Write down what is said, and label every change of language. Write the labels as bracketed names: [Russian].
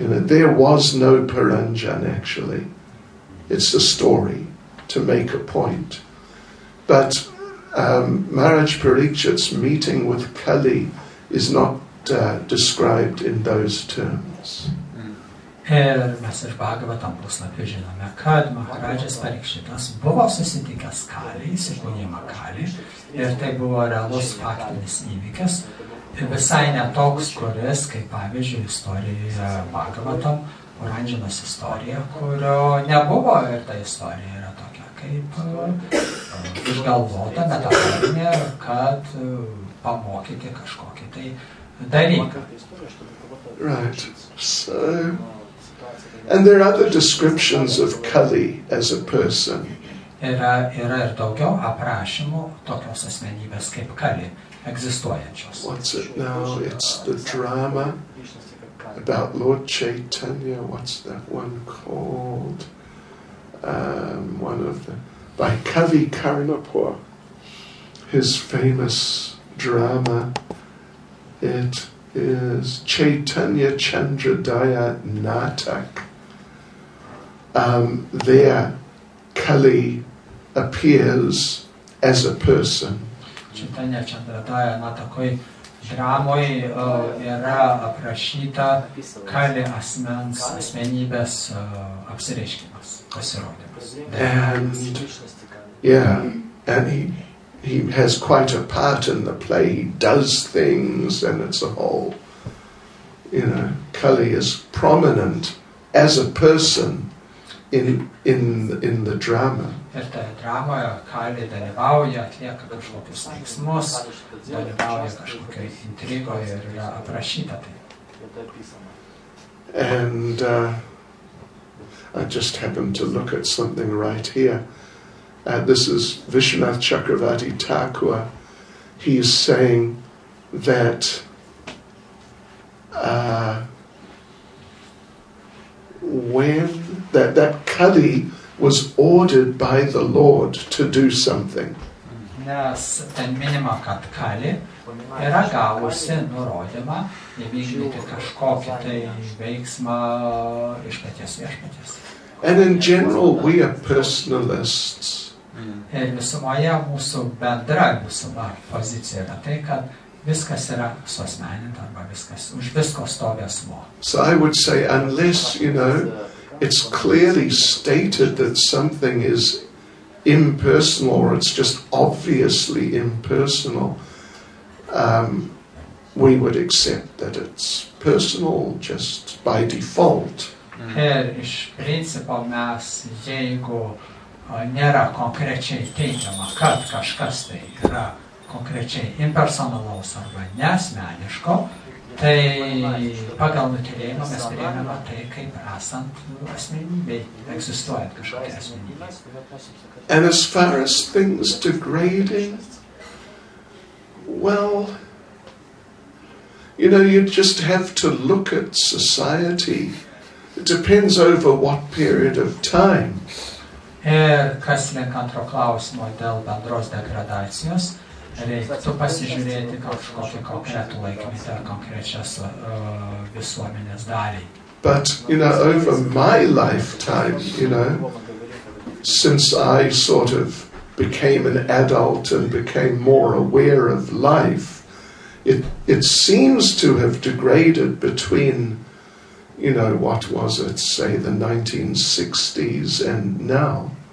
[English] You know, there was no Paranjan, actually. It's a story to make a point. But Maharaj Parikshit's meeting with Kali is not described in those terms. [Lithuanian] Ir mes ir Bhagavatam puslapį žinome, kad Maharajas Parikshitas buvo susitikęs Kali, įsikūnijimą Kali, ir tai buvo realus faktinis įvykis, visai netoks, kuris, kaip pavyzdžiui, istorijoje Bhagavatam, oranžinas istorija, kurio nebuvo ir ta istorija yra tokia kaip išgalvota metaforinė, kad pamokyti kažkokį tai dalyką. [English] Right. So, and there are other descriptions of Kali as a person. [Lithuanian] Yra ir daugiau aprašymų tokios asmenybės kaip Kali egzistuojančios. [English] What's it now? It's the drama about Lord Chaitanya. What's that one called? One of the by Kavi Karnapur, his famous drama, it is Chaitanya Chandradaya Natak. There Kali appears as a person. [Lithuanian] Chaitanya Chandradaya Natakoi dramoj yra aprašyta Kali asmens asmenybės apsireiškimas. [English] And yeah, and he has quite a part in the play. He does things, and it's a whole, you know, Kali is prominent as a person in the drama. [Lithuanian] Ir toje dramoje Kali dalyvauja, atlieka kažkokius veiksmus, dalyvauja kažkokioje intrigoje ir yra aprašyta tai. [English] And I just happened to look at something right here. This is Vishwanath Chakravarti Thakur. He's saying that when Kali was ordered by the Lord to do something. [Lithuanian] Nes ten minima, kad Kali yra gavusi nurodymą įvykdyti kažkokį tai veiksmą iš paties viešpaties. [English] And in general, we are personalists. [Lithuanian] Ir visumoje mūsų bendra visuma pozicija yra tai, kad viskas yra suasmeninta arba viskas, už visko stovi asmo. [English] So I would say, unless, you know, it's clearly stated that something is impersonal or it's just obviously impersonal, we would accept that it's personal just by default. [Lithuanian] Ir iš principo mes, jeigu nėra konkrečiai teigiama, kad kažkas tai yra konkrečiai impersonalaus arba neasmeniško, tai pagal nutylėjimą mes priėmėme tai, kaip esant asmenybei, egzistuojant kažkokiai asmenybei. [English] And as far as things degrading, well, you know, you just have to look at society. It depends over what period of time. [Lithuanian] Ir kas link antro klausimo dėl bendros degradacijos, reiktų pasižiūrėti kažkokį konkretų laikmetį ar konkrečias visuomenės dalį. [English] But, you know, over my lifetime, you know, since I sort of became an adult and became more aware of life, it seems to have degraded between, you know, what was it, say, the 1960s and now.